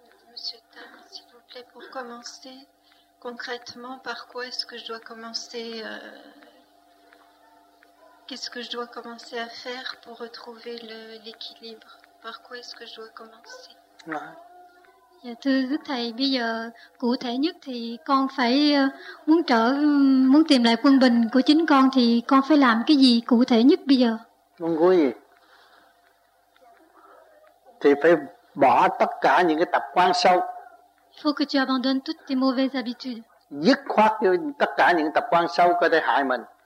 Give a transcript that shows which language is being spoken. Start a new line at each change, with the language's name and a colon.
French: Monsieur Tam, s'il vous plaît, pour commencer concrètement, par quoi est-ce que je dois commencer qu'est-ce que je dois commencer à faire pour retrouver l'équilibre? Par quoi est-ce que je dois commencer?
Vietnamese: Thưa Đức Thầy, bây giờ cụ thể nhất thì con phải muốn tìm lại quân bình của chính con thì con phải làm cái gì cụ thể nhất bây giờ? Muốn có gì? Thì phải bỏ tất cả những cái tập quán xấu.
French: Faut que tu abandonnes toutes tes mauvaises habitudes.
Vietnamese: Dứt khoát tất cả những tập quán xấu có thể hại mình.